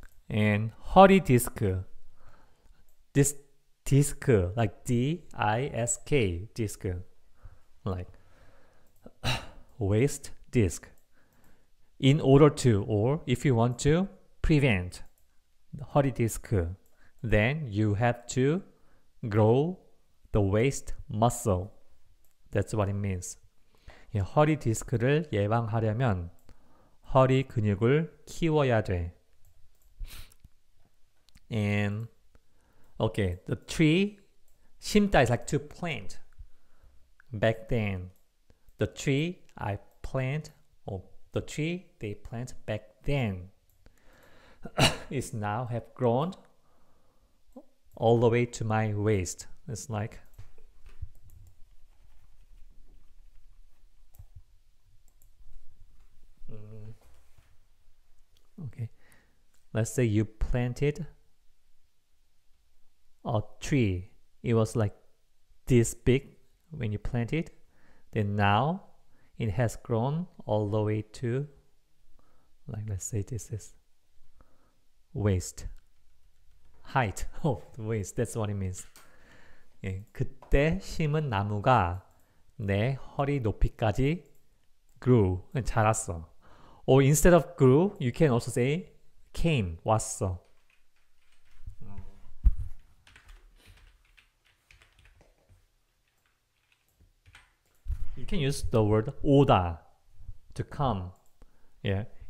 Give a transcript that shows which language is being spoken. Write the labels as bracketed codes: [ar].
[en] And 허리 디스크, this disc, like DISK, disc, like waist disc. In order to, or if you want to prevent. Hurry disc, then you have to grow the waist muscle. That's what it means. [ko] 허리 디스크를 예방하려면 허리 근육을 키워야 돼. [en] And okay, the tree 심다 is like to plant. Back then, the tree I plant or the tree they plant back then. Is now have grown all the way to my waist. It's like okay. Let's say you planted a tree. It was like this big when you planted. Then now it has grown all the way to, like, let's say this is waist. height of the waist. That's what it means. [ko] 예, 그때 심은 나무가 내 허리 높이까지 [en] grew, [ko] 자랐어. [en] Or instead of grew, you can also say came, 왔어. 이렇게 use the word 오다 to come. Yeah.